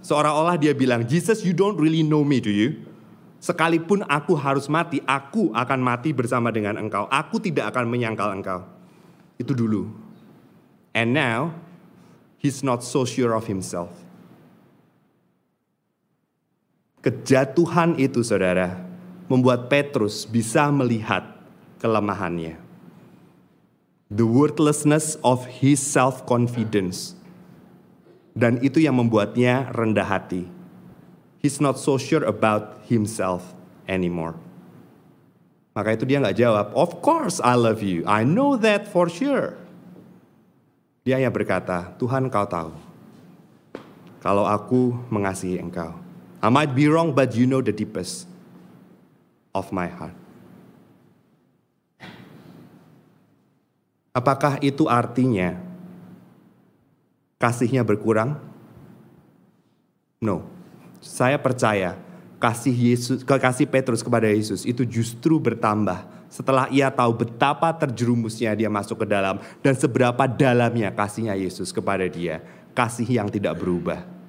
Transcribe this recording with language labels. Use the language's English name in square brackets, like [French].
[Indonesian] Seolah-olah dia bilang, [English] Jesus, you don't really know me, do you? [Indonesian] Sekalipun aku harus mati, aku akan mati bersama dengan engkau. Aku tidak akan menyangkal engkau. Itu dulu. [English] And now, he's not so sure of himself. [Indonesian] Kejatuhan itu, saudara, membuat Petrus bisa melihat kelemahannya. [English] The worthlessness of his self-confidence. [Indonesian] Dan itu yang membuatnya rendah hati. [English] He's not so sure about himself anymore. [Indonesian] Maka itu dia gak jawab, [English] of course I love you, I know that for sure. [Indonesian] Dia hanya berkata, Tuhan kau tahu, kalau aku mengasihi engkau. [English] I might be wrong, but you know the deepest of my heart. [Indonesian] Apakah itu artinya kasihnya berkurang? No. Saya percaya kasih Yesus, kasih Petrus kepada Yesus itu justru bertambah setelah ia tahu betapa terjerumusnya dia masuk ke dalam dan seberapa dalamnya kasihnya Yesus kepada dia, kasih yang tidak berubah.